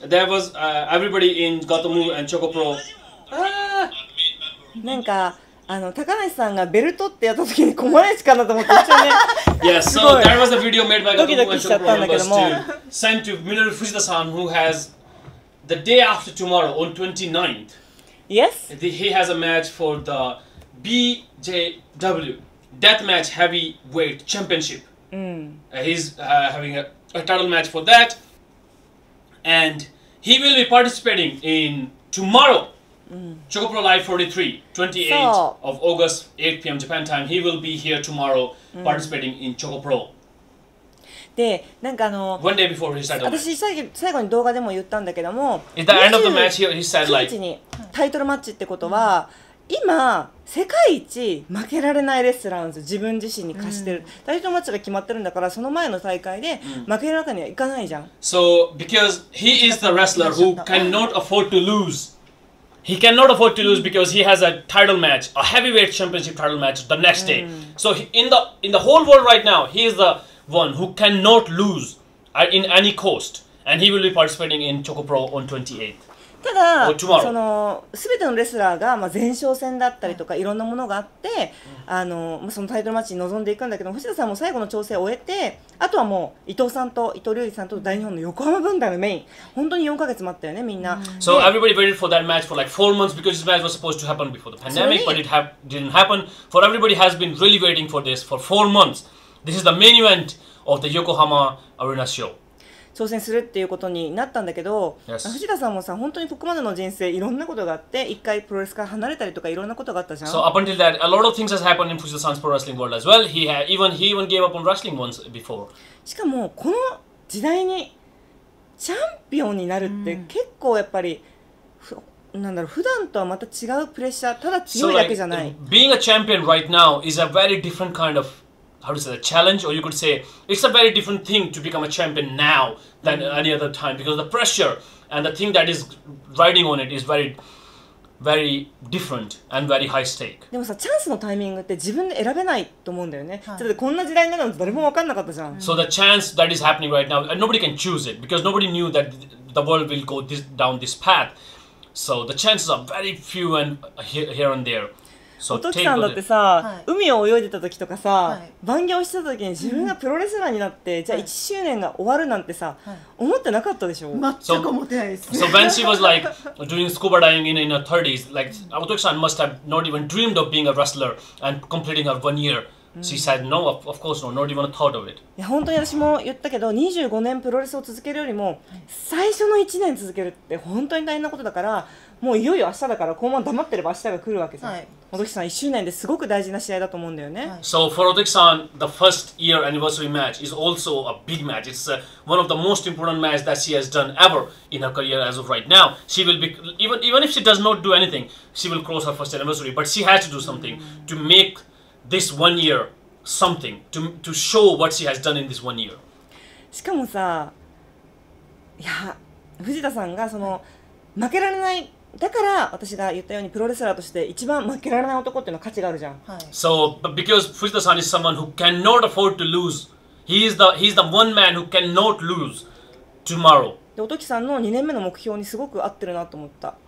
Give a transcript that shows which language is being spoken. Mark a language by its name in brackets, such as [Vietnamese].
[English] That was everybody in Gotomu and Choco Pro. [Japanese] なんかあの高梨さんがベルトってやった時に小林かなと思って、ね、 [English] yes, so that was a video made by Gotomu and Choco Pro members to send to Minoru Fujita-san, who has the day after tomorrow on 29th. Yes. He has a match for the BJW Deathmatch Heavyweight Championship. He's having a title match for that, and he will be participating in tomorrow, Choco Pro Live 43, 28th of August, 8 p.m. Japan time. He will be here tomorrow, participating in Choco Pro. [Japanese] で、なんかあの、 [English] one day before he started. [Japanese] 私最後に動画でも言ったんだけども、 [English] at the end of the match, he said like, [Japanese] タイトルマッチってことは、今世界一負けられないレスラーなんですよ、自分自身に貸してる、タイトルマッチが決まってるんだから、その前の大会で負けるわけにはいかないじゃん。 [English] So because he is the wrestler who cannot afford to lose. He cannot afford to lose because he has a title match, a heavyweight championship title match the next day. So in the whole world right now, he is the one who cannot lose in any cost, and he will be participating in Choco Pro on 28th. [Japanese] ただ、その全てのレスラーが、まあ、前哨戦だったりとかいろんなものがあって、あのそのタイトルマッチに臨んでいくんだけど、星田さんも最後の調整を終えて、あとはもう伊藤さんと伊藤龍二さんと大日本の横浜分団のメイン、本当に4ヶ月待ったよね、みんな。 [English] So everybody waited for that match for like 4 months because this match was supposed to happen before the pandemic, but it didn't happen. For everybody has been really waiting for this for 4 months. This is the main event of the Yokohama Arena show. [Japanese] 挑戦するっていうことになったんだけど、 [English] yes. [Japanese] 藤田さんもさ、本当にここまでの人生いろんなことがあって、一回プロレスから離れたりとかいろんなことがあったじゃん。 [English] So up until that, a lot of things has happened in Fujita-san's pro wrestling world as well. He even gave up on wrestling once before. [Japanese] しかもこの時代にチャンピオンになるって結構やっぱり、なんだろう、普段とはまた違うプレッシャー、ただ強いだけじゃない。 [English] So like, being a champion right now is a very different kind ofHow to say, a challenge, or you could say it's a very different thing to become a champion now than any other time, because the pressure and the thing that is riding on it is very, very different and very high stake. [Japanese] でもさ、チャンスのタイミングって自分で選べないと思うんだよね。だってこんな時代になるの誰も分かんなかったじゃん。 [English] So the chance that is happening right now, nobody can choose it because nobody knew that the world will go this, down this path. So the chances are very few and here and there. [Japanese] お父さんだってさ、はい、海を泳いでた時とかさ、はい、番業してた時に自分がプロレスラーになって、うん、じゃあ1周年が終わるなんてさ、はい、思ってなかったでしょ。全く思ってないです。 [English] So when she was like doing scuba diving in her 30s, like Otoki-san must have not even dreamed of being a wrestler and completing her one year. She said no, of course not, not even a thought of it. [Japanese] いや本当に私も言ったけど、25年プロレスを続けるよりも最初の1年続けるって本当に大変なことだから。もういよいよ明日だから、このまま黙ってれば明日が来るわけさ。はい、おときさん1周年ですごく大事な試合だと思うんだよね。 [English] So for Otoki-san, the first year anniversary match is also a big match. It's one of the most important matches that she has done ever in her career as of right now. She will be, even if she does not do anything, she will cross her first anniversary. But she has to do something to make this one year something, to show what she has done in this one year. [Japanese] しかもさ、いや、藤田さんがその、負けられない、だから私が言ったようにプロレスラーとして一番負けられない男っていうのは価値があるじゃん。はい、 [English] so, but because Fujita-san is someone who cannot afford to lose, he is the one man who cannot lose tomorrow. [Japanese] で、おときさんの2年目の目標にすごく合ってるなと思った。